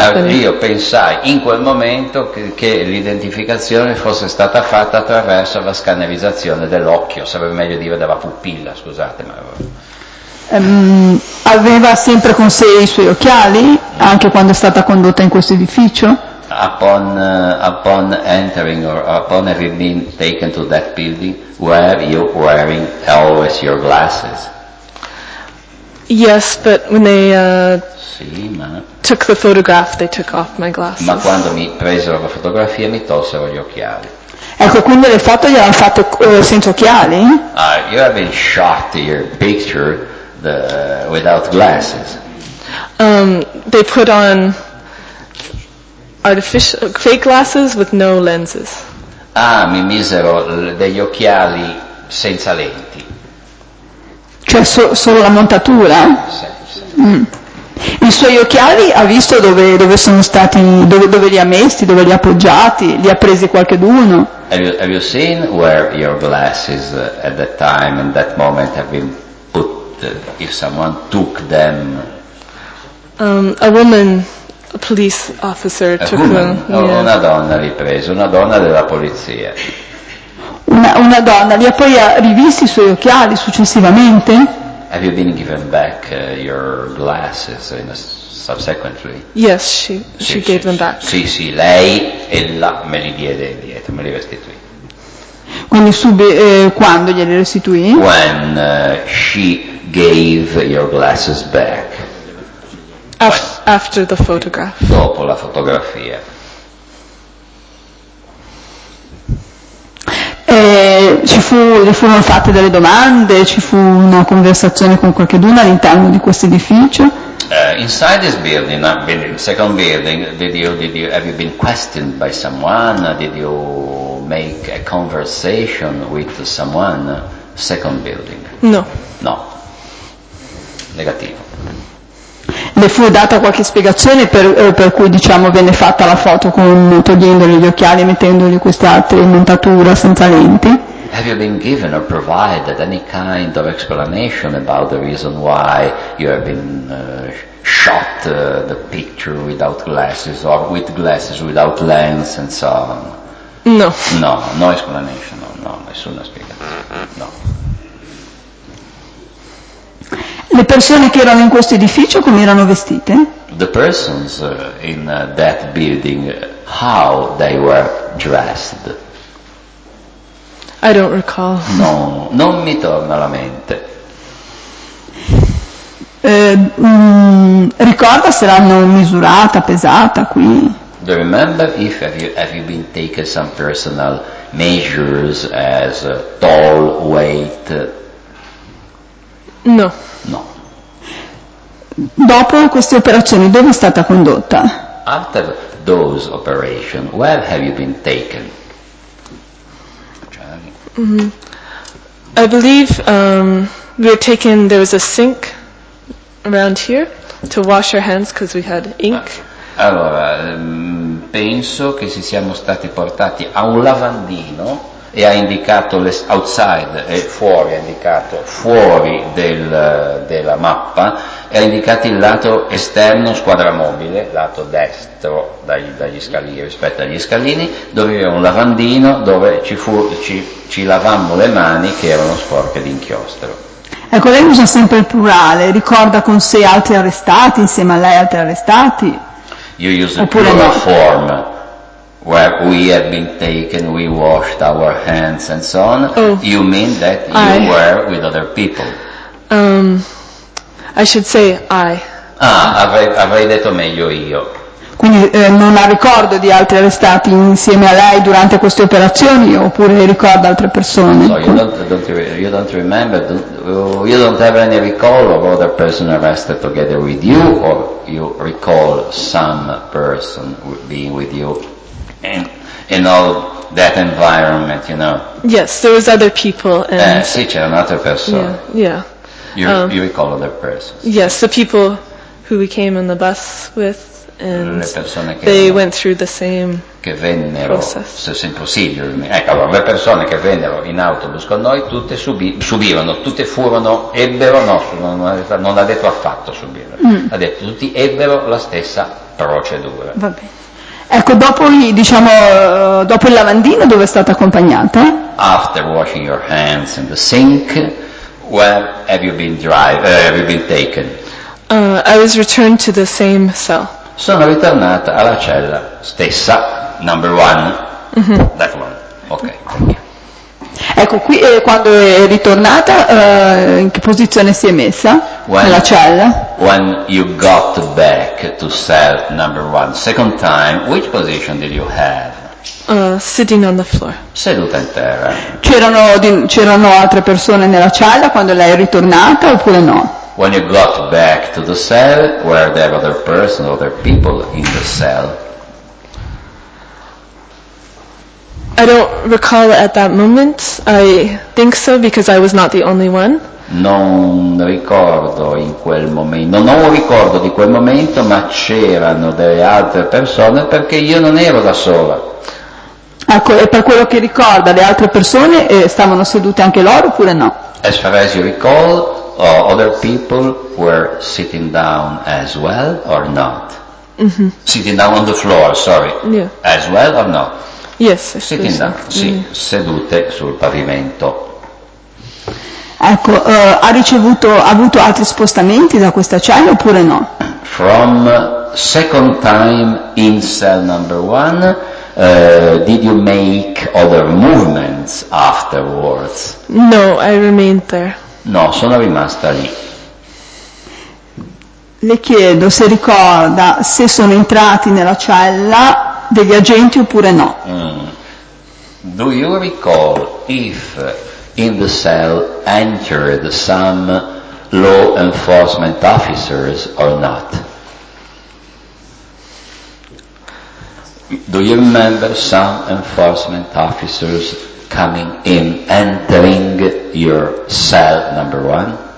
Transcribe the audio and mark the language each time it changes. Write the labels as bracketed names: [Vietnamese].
[Italian] Io pensai in quel momento che l'identificazione fosse stata fatta attraverso la scannerizzazione dell'occhio, sarebbe meglio dire della pupilla, scusate. Ma... aveva sempre con sé i suoi occhiali, anche quando è stata condotta in questo edificio? [English] Upon entering or upon having been taken to that building, were you wearing always your glasses? Yes, but when they [Italian] sì, ma... [English] took the photograph, they took off my glasses. [Italian] Ma quando mi presero la fotografia, mi tolsero gli occhiali. Ecco, quindi le foto gli hanno fatto senza occhiali? [English] You have been shot your picture the, without glasses. They put on artificial fake glasses with no lenses. [Italian] Ah, mi misero degli occhiali senza lenti. Cioè solo la montatura? Sì, sì. Mm. I suoi occhiali ha visto dove sono stati, dove li ha messi, dove li ha appoggiati, li ha presi qualcheduno? [English] Have you seen where your glasses at that time, in that moment, have been put, if someone took them? A woman, a police officer, a took woman, them. Yeah. [Italian] Una donna li ha presi, una donna della polizia. Una donna li ha poi rivisti i suoi occhiali successivamente? [English] Have you been given back your glasses in a subsequently? Yes, she gave them back. [Italian] Sì, sì, lei e la me li diede indietro, me li restituì. Quindi quando glieli restituì? [English] When she gave your glasses back. After the photograph. [Italian] Dopo la fotografia. Ci furono fatte delle domande, ci fu una conversazione con qualcuno all'interno di questo edificio. [English] Inside this building, second building, did you have you been questioned by someone? Did you make a conversation with someone? Second building. No. [Italian] Negativo. Le fu data qualche spiegazione per cui diciamo venne fatta la foto togliendogli gli occhiali e mettendogli questa altra montatura senza lenti? [English] Have you been given or provided any kind of explanation about the reason why you have been shot the picture without glasses or with glasses without lens and so on? No explanation, [Italian] no nessuna spiegazione, no. Le persone che erano in questo edificio come erano vestite? [English] The persons in that building, how they were dressed? I don't recall. [Italian] No, non mi torna alla mente. Ricorda se l'hanno misurata, pesata qui? [English] Do you remember if have you been taken some personal measures as tall, weight? No. [Italian] Dopo queste operazioni, dove è stata condotta? [English] After those operations, where have you been taken? I believe we were taken, there was a sink around here to wash our hands because we had ink. [Italian] Allora, penso che ci siamo stati portati a un lavandino e ha indicato [English] outside, [Italian] e fuori, ha indicato fuori della mappa, e ha indicato il lato esterno squadramobile, lato destro dagli scalini, rispetto agli scalini, dove aveva un lavandino dove ci lavammo le mani che erano sporche di inchiostro. Ecco, lei usa sempre il plurale, ricorda con sé altri arrestati, insieme a lei altri arrestati? [English] You use the plural no? Form. Where we have been taken, we washed our hands and so on. Oh, you mean that you were with other people? I should say I. [Italian] Ah, avrei detto meglio io. Quindi non ha ricordo di altri arrestati insieme a lei durante queste operazioni, oppure ricorda altre persone? [English] No, you don't remember. You don't have any recall of other person arrested together with you, or you recall some person being with you? In all that environment, you know. Yes, there was other people. And [Italian] sì, c'era un'altra persona. [English] Yeah. You recall other persons. Yes, the people who we came on the bus with, and [Italian] le persone che [English] they went through the same [Italian] che vennero, [English] process. Same procedure. [Italian] Ecco, allora, le persone che vennero in autobus con noi, tutte subivano, tutte furono, ebbero, no, non ha detto affatto subire. Ha detto tutti ebbero la stessa procedura. Va bene. Ecco, dopo il lavandino, dove è stata accompagnata? [English] After washing your hands in the sink, where have you been taken? I was returned to the same cell. [Italian] Sono ritornata alla cella stessa, [English] number one. Mm-hmm. That one. Okay, thank you. [Italian] Ecco, qui quando è ritornata, in che posizione si è messa? [English] When, [Italian] nella cella. [English] When you got back to cell number one, second time, which position did you have? Sitting on the floor. [Italian] Seduta in terra. C'erano altre persone nella cella quando lei è ritornata oppure no? [English] When you got back to the cell, were there other persons, other people in the cell? I don't recall at that moment. I think so because I was not the only one. [Italian] Non ricordo in quel momento. Non ho ricordo di quel momento, ma c'erano delle altre persone perché io non ero da sola. Ecco, e per quello che ricorda, le altre persone stavano sedute anche loro oppure no? [English] As far as you recall, other people were sitting down as well or not? Mm-hmm. Sitting down on the floor, sorry. Yeah. As well or no? Yes, sitting down. [Italian] Sì, sedute sul pavimento. Ecco, ha avuto altri spostamenti da questa cella oppure no? [English] From second time in cell number one, did you make other movements afterwards? No, I remained there. [Italian] No, sono rimasta lì. Le chiedo se ricorda se sono entrati nella cella degli agenti oppure no. [English] Do you recall if in the cell entered some law enforcement officers or not? Do you remember some enforcement officers coming in, entering your cell number one?